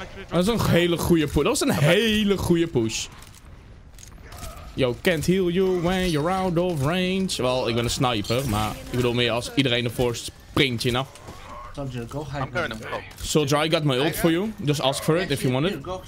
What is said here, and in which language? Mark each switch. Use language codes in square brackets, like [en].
[nl] Dat was een hele goede push. Dat was een hele goede push. [en] Yo, can't heal you when you're out of range. [nl] Wel, ik ben een sniper, maar ik bedoel meer als iedereen ervoor springt, [en] you know. Soldier, I got my ult for you. Just ask for it if you want it.